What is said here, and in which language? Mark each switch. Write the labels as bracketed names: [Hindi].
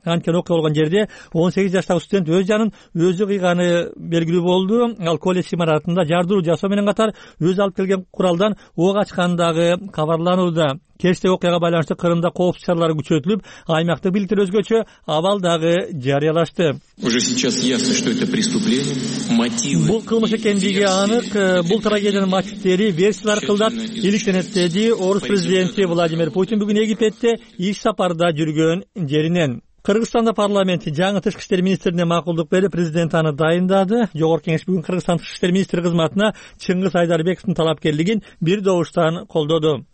[Kyrgyz] Анткени окуя болгон жерде 18 жаштагы студент өз жанын өзү кыйганы белгилүү болду. Ал коллеж имаратында жардыруу жасоо менен катар өзү алып келген куралдан ок ачканы дагы кабарланууда. Кечтеги окуяга байланыштуу Кырымда коопсуз чаралар күчөтүлүп, аймактык бийликтер өзгөчө абал дагы жарыялашты. [Russian] Уже сейчас ясно, что это преступление. Мотивы. [Kyrgyz] Бул кылмыш экендиги анык. Бул трагедиянын мотивтери версиялар кылдат иликтенет, деди Орус президенти Владимир Путин бүгүн Египетте иш сапарда жүргөн жеринен. Кыргызстанда парламент жаңы тышкы иштер министрине макулдук берип, президент аны дайындады. Жогорку кеңеш бүгүн Кыргызстан тышкы иштер министри кызматына Чыңгыз Айдарбековдун талапкерлигин бир добуштан колдоду.